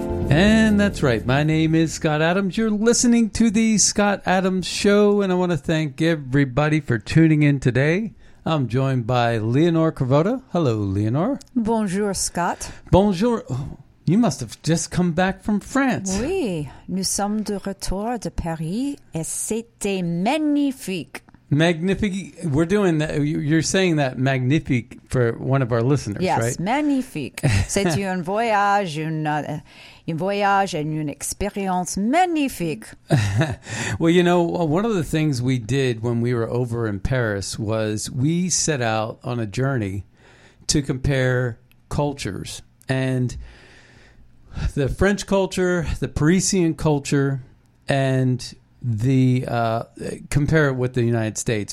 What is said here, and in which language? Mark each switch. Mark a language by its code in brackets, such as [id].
[en] And that's right. My name is Scott Adams. You're listening to the Scott Adams Show, and I want to thank everybody for tuning in today. I'm joined by Leonor Cravotta. Hello, Leonor. [fr] Bonjour, Scott. Bonjour. [en] You must have just come back from France. [fr] Oui, nous sommes de retour de Paris et c'était magnifique. [en] Magnifique. We're doing that. You're saying that magnifique for one of our listeners, yes, right? Yes, magnifique. [fr] C'est un voyage, un voyage and une expérience magnifique. [en] Well, you know, one of the things we did when we were over in Paris was we set out on a journey to compare cultures. And the French culture, the Parisian culture, and the compare it with the United States.